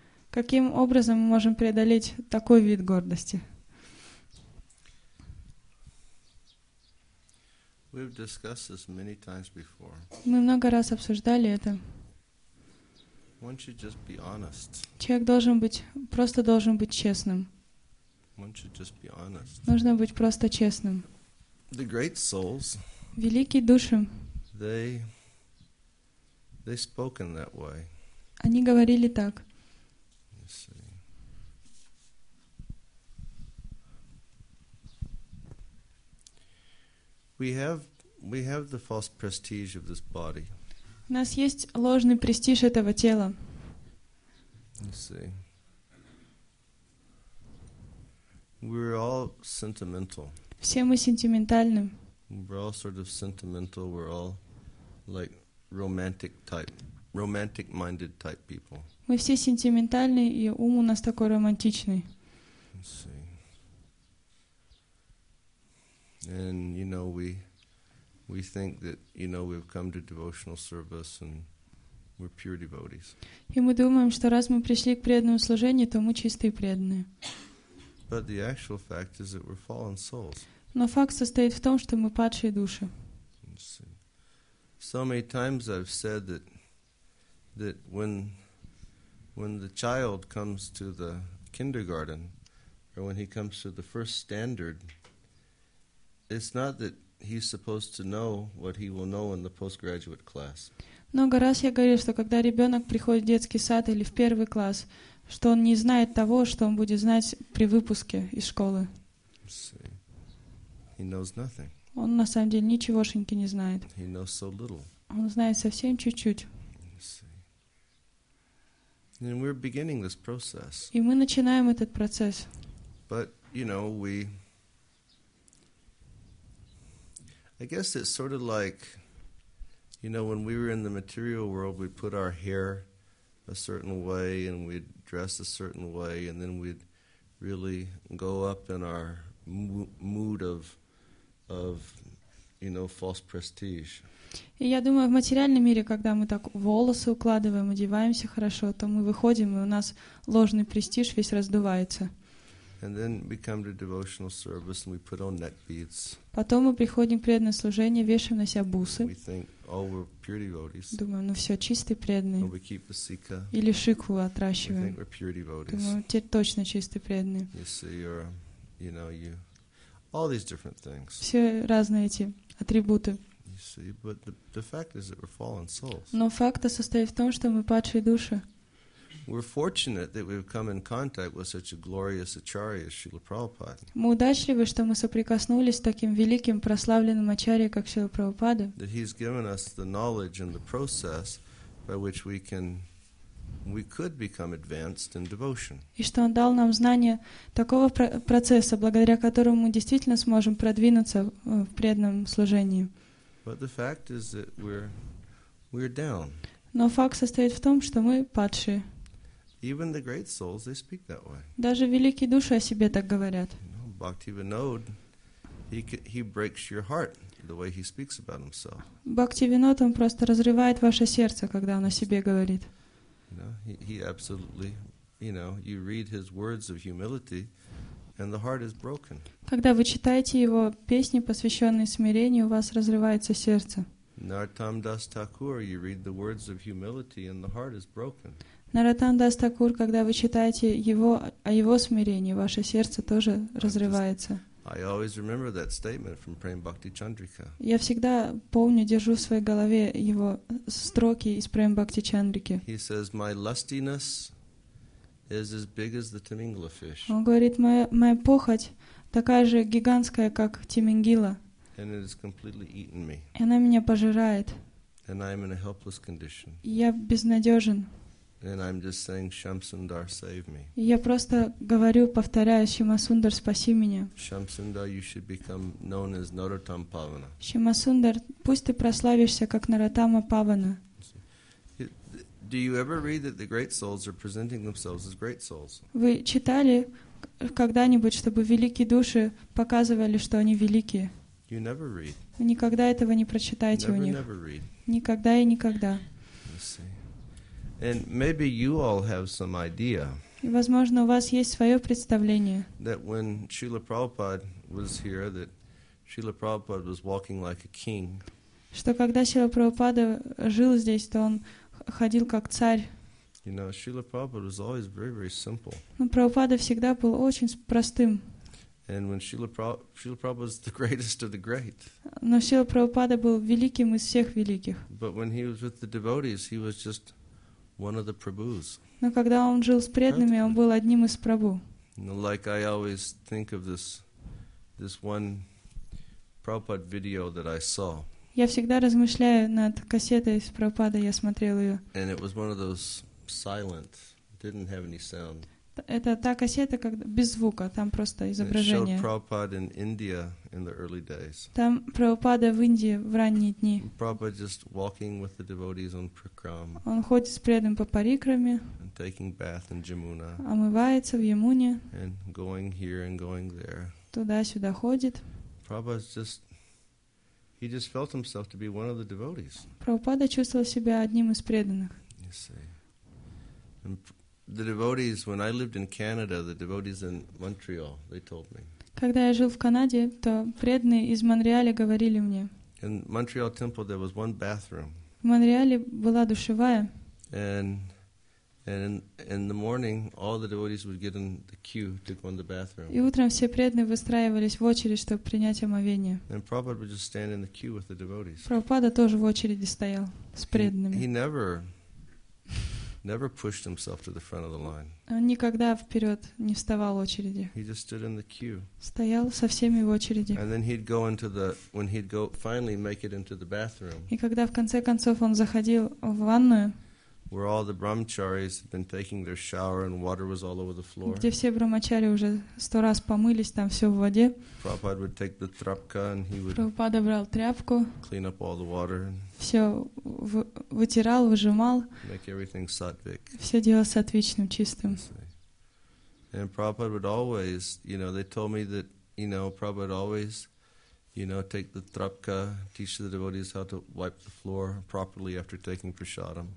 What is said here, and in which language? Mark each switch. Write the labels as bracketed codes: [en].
[ru] Каким образом мы можем преодолеть такой вид гордости? [en] We've discussed this many times before. [ru] Мы много раз обсуждали это. [en] Won't you just be honest? [ru] Человек должен быть, просто должен быть честным. [en] Won't you just be honest? [ru] Нужно быть просто честным. [en] The great souls, [ru] великие души, [en] they spoke in that way. [ru] Они говорили так. [en] We have the false prestige of this body. [ru] У нас есть ложный престиж этого тела. [en] Let's see. We're all sentimental. [ru] Все мы сентиментальны. [en] We're all sort of sentimental. We're all like romantic type, romantic-minded type people. [ru] Мы все сентиментальны, и ум у нас такой романтичный. [en] Let's see. And you know we think that, you know, we've come to devotional service and we're pure devotees. [ru] И мы думаем, что раз мы пришли к преданному служению, то мы чистые преданные. [en] But the actual fact is that we're fallen souls. [ru] Но факт состоит в том, что мы падшие души. [en] So many times I've said that when the child comes to the kindergarten or when he comes to the first standard, it's not that he's supposed to know what he will know in the postgraduate class. [ru] Много раз я говорил, что когда ребенок приходит в детский сад или в первый класс, что он не знает того, что он будет знать при выпуске из школы. [en] He knows nothing. [ru] Он на самом деле ничегошеньки не знает. [en] He knows so little. [ru] Он знает совсем чуть-чуть. [en] And we're beginning this process. [ru] И мы начинаем этот процесс. [en] But, you know, we... I guess it's sort of like, you know, when we were in the material world, we'd put our hair a certain way and we'd dress a certain way and then we'd really go up in our mood of, you know, false prestige. [ru] И я думаю, в материальном мире, когда мы так волосы укладываем, одеваемся хорошо, то мы выходим, и у нас ложный престиж весь раздувается. [en] And then we come to devotional service and we put on neck beads. [ru] Потом мы приходим к преданному служению, вешаем на себя бусы. [en] We think, oh, we're pure devotees. [ru] Думаем, ну все, чистые преданные. [en] We keep the sikha. [ru] Или шикху отращиваем. [en] We think we're pure devotees. [ru] Думаем, теперь точно чистые преданные. [en] You see, or, you know, you, all these different things. [ru] Все разные эти атрибуты. [en] You see, but the fact is that we're fallen souls. [ru] Но факт состоит в том, что мы падшие души. [en] We're fortunate that we've come in contact with such a glorious acharya, Srila Prabhupada. [ru] Мы удачливы, что мы соприкоснулись с таким великим прославленным ачарьей, как Шрила Прабхупада. [en] That he's given us the knowledge and the process by which we can, we could become advanced in devotion. [ru] И что он дал нам знание такого процесса, благодаря которому мы действительно сможем продвинуться в преданном служении. [en] But the fact is that we're down. [ru] Но факт состоит в том, что мы падшие. [en] Even the great souls, they speak that way. [ru] Даже великие души о себе так говорят. [en] Bhaktivinod, he breaks your heart the way he speaks about himself. [ru] Бхактивинод, он просто разрывает ваше сердце, когда он о себе говорит. [en] He absolutely, you know, you read his words of humility, and the heart is broken. [ru] Когда вы читаете его песни, посвященные смирению, у вас разрывается сердце. [en] Nartam Das Thakur, you read the words of humility, and the heart is broken. [ru] Наратан Дас Такур, когда вы читаете его, о его смирении, ваше сердце тоже разрывается. [en] I always remember that statement from Prem Bhakti Chandrika. [ru] Я всегда помню, держу в своей голове его строки из Prem Bhakti Chandrika. [en] He says, my lustiness is as big as the Timingila fish. [ru] Он говорит, моя похоть такая же гигантская, как Тимингила. [en] And it has completely eaten me. [ru] И она меня пожирает. [en] And I am in a helpless condition. [ru] Я безнадежен. [en] And I'm just saying, Shamsundar, save me. [ru] Я просто говорю, повторяю, Шамасундар, спаси меня. [en] Shamsundar, you should become known as Narottam Pavana. [ru] Шамасундар, пусть ты прославишься как Наратама Павана. [en] Do you ever read that the great souls are presenting themselves as great souls? [ru] Вы читали когда-нибудь, чтобы великие души показывали, что они великие? [en] You never read. [ru] Вы никогда этого не прочитаете у них. [en] Never read. [ru] Никогда и никогда. [en] And maybe you all have some idea. [ru] Возможно, у вас есть своё представление. [en] That when Srila Prabhupada was here, that Srila Prabhupada was walking like a king. [ru] Что когда Шрила Прабхупада жил здесь, то он ходил как царь. [en] You know, Srila Prabhupada was always very, very simple. [ru] Ну, Прабхупада всегда был очень простым. [en] And when Srila Prabhupada was the greatest of the great. [ru] Но Шрила Прабхупада был великим из всех великих. [en] But when he was with the devotees, he was just one of the Prabhus. [ru] Но когда он жил с преданными, он был одним из Прабху. [en] Like I always think of this one Prabhupada video that I saw. [ru] Я всегда размышляю над кассетой с Прабхупадой, я смотрел ее. [en] And it was one of those silent, didn't have any sound. [ru] Это та кассета, когда без звука, там просто изображение. [en] It showed Prabhupada in India in the early days. [ru] Там Прабхупада в Индии в ранние дни. [en] Prabhupada just walking with the devotees on Parikram. [ru] Он ходит с преданным по Парикраме. [en] And taking bath in Jamuna. [ru] Омывается в Ямуне. [en] And going here and going there. [ru] Туда-сюда ходит. [en] Prabhupada just, he just felt himself to be one of the devotees. [ru] Прабхупада чувствовал себя одним из преданных. [en] You see. The devotees, when I lived in Canada, the devotees in Montreal, they told me. [ru] Когда я жил в Канаде, то преданные из Монреаля говорили мне. [en] In Montreal temple, there was one bathroom. [ru] В Монреале была душевая. [en] And in the morning, all the devotees would get in the queue to go in the bathroom. [ru] И утром все преданные выстраивались в очередь, чтобы принять омовение. [en] And Prabhupada would just stand in the queue with the devotees. [ru] Прабхупада тоже в очереди стоял с преданными. [en] He never pushed himself to the front of the line. [ru] Он никогда вперед не вставал в очереди. [en] He just stood in the queue. [ru] Стоял со всеми в очереди. [en] And then he'd go into the, when he'd go finally make it into the bathroom. [ru] И когда в конце концов он заходил в ванную. [en] Where all the brahmacharis had been taking their shower and water was all over the floor. [ru] Где все брахмачари уже 100 раз помылись, там все в воде. [en] Prabhupada would take the trapka and he would. [ru] Prabhupada брал тряпку. [en] Clean up all the water. [ru] Все вытирал, выжимал. [en] Make everything sattvic. [ru] Все делал сатвичным, чистым. [en] And Prabhupada would always, you know, they told me that, you know, Prabhupada always, you know, take the trapka, teach the devotees how to wipe the floor properly after taking prasadam.